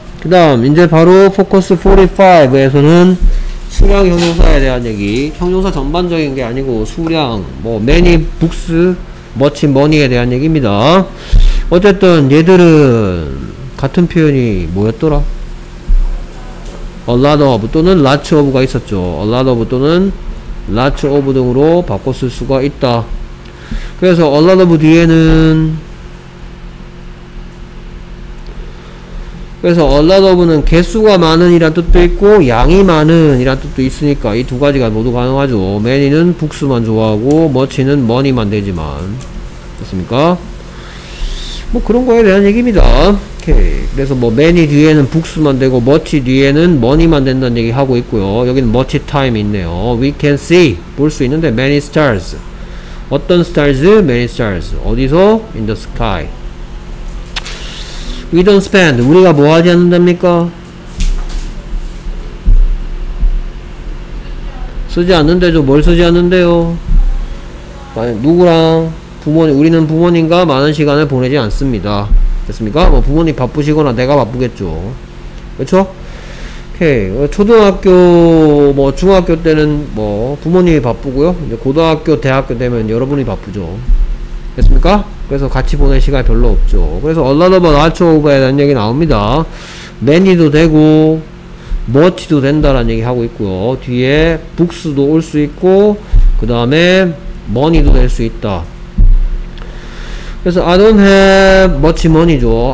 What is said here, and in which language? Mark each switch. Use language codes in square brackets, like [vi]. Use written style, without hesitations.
[ko] 그 다음 이제 바로 포커스 45에서는 수량 형용사에 대한 얘기. 형용사 전반적인 게 아니고 수량, 뭐 many books, much money에 대한 얘기입니다. 어쨌든 얘들은 같은 표현이 뭐였더라? [en] a lot of 또는 lots of가 있었죠. a lot of 또는 lots of 등으로 바꿨을 수가 있다. [ko] 그래서 a lot of 뒤에는, 그래서 a lot of는 개수가 많은 이란 뜻도 있고 양이 많은 이란 뜻도 있으니까 이 두 가지가 모두 가능하죠. many는 books만 좋아하고 much는 money만 되지만. 됐습니까? 뭐 그런 거에 대한 얘기입니다. 오케이. 그래서 뭐 many 뒤에는 books만 되고 much 뒤에는 money만 된다는 얘기 하고 있고요. 여기는 much time 있네요. [en] we can see [ko] 볼 수 있는데 [en] many stars. [ko] 어떤 [en] stars? many stars. [ko] 어디서? [en] in the sky. we don't spend. [ko] 우리가 뭐 하지 않는답니까? 쓰지 않는데죠. 뭘 쓰지 않는데요? 누구랑? 부모님. 우리는 부모님과 많은 시간을 보내지 않습니다. 됐습니까? 뭐 부모님 바쁘시거나 내가 바쁘겠죠. 그쵸? 오케이. 초등학교 뭐 중학교 때는 뭐 부모님이 바쁘고요. 이제 고등학교 대학교 되면 여러분이 바쁘죠. 됐습니까? 그래서 같이 보낼 시간이 별로 없죠. 그래서 a lot of a lot of에 대한 얘기 나옵니다. many도 되고 much도 된다라는 얘기 하고 있고요. 뒤에 books도 올 수 있고 그 다음에 money도 될 수 있다. [en] 그래서 I don't have much money죠.